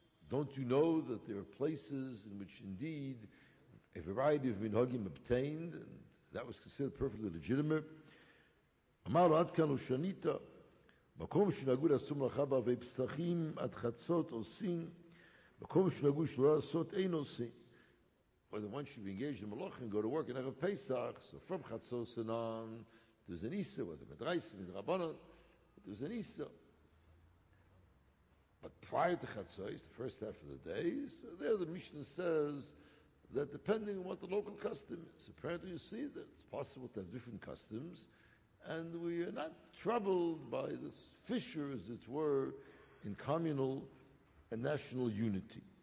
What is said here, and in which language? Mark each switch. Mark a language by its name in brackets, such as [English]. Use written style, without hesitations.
[English] Don't you know that there are places in which indeed a variety of minhagim obtained, and that was considered perfectly legitimate. Amar Adkan Ushanita, [Hebrew] מקום שנהגו לעשות מלאכה בערבי פסחים עד חצות עושים, מקום שנהגו שלא לעשות אין עושים. [English] But the one should be engaged in Malach and go to work in Erev Pesach. So from Chatzos and on, there's an Issa, whether Medrais, Medrabanon, there's an Issa. But prior to Chatzos, the first half of the day, so there the Mishnah says that depending on what the local custom is, apparently you see that it's possible to have different customs, and we are not troubled by this fissure, as it were, in communal and national unity.